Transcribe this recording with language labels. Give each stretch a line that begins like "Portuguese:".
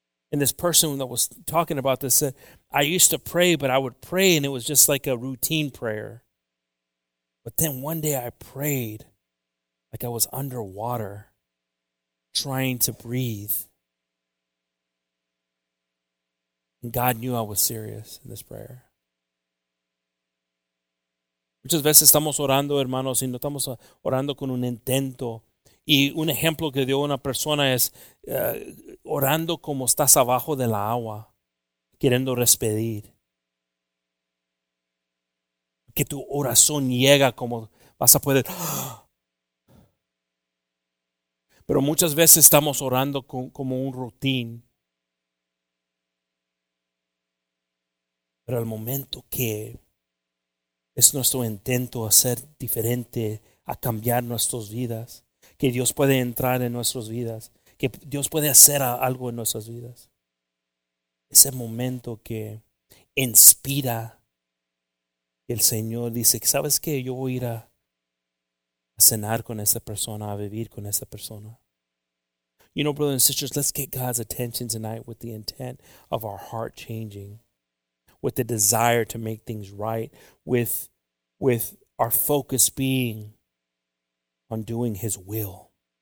English: And this person that was talking about this said, I used to pray, but I would pray, and it was just like a routine prayer. But then one day I prayed like I was underwater, trying to breathe. And God knew I was serious in this prayer.
Spanish: Muchas veces estamos orando, hermanos, y no estamos orando con un intento. Y un ejemplo que dio una persona es orando como estás abajo de la agua, queriendo respirar. Que tu oración llega como vas a poder... Pero muchas veces estamos orando como un rutín. Pero al momento que es nuestro intento a ser diferente, a cambiar nuestras vidas, que Dios puede entrar en nuestras vidas, que Dios puede hacer algo en nuestras vidas. Ese momento que inspira, el Señor dice, ¿sabes qué? Yo voy a ir a cenar con esa persona, a vivir con esa persona.
English: You know, brothers and sisters, let's get God's attention tonight with the intent of our heart changing, with the desire to make things right, with our focus being on doing His will.